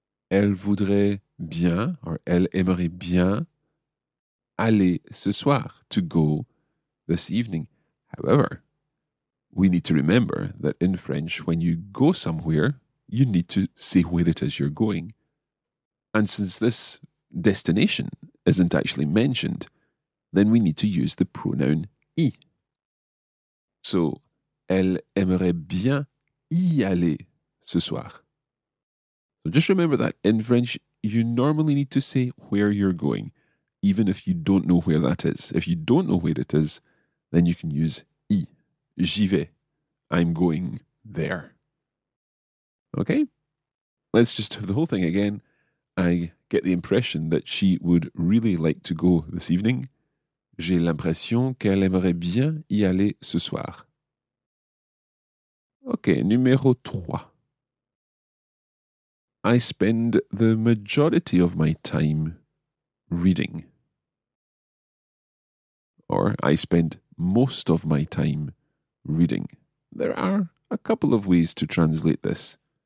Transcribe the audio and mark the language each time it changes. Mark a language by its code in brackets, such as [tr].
[fr] Elle voudrait bien, or elle aimerait bien, aller ce soir, [en] to go this evening. However, we need to remember that in French, when you go somewhere, you need to say where it is you're going. And since this destination isn't actually mentioned, then we need to use the pronoun [fr] y. So, elle aimerait bien y aller ce soir. [en] So just remember that in French, you normally need to say where you're going, even if you don't know where that is. If you don't know where it is, then you can use y. [fr] J'y vais. [en] I'm going there. Okay? Let's just have the whole thing again. I get the impression that she would really like to go this evening. [fr] J'ai l'impression qu'elle aimerait bien y aller ce soir. Okay, numéro 3. [en] I spend the majority of my time reading. Or I spend most of my time reading. There are a couple of ways to translate this.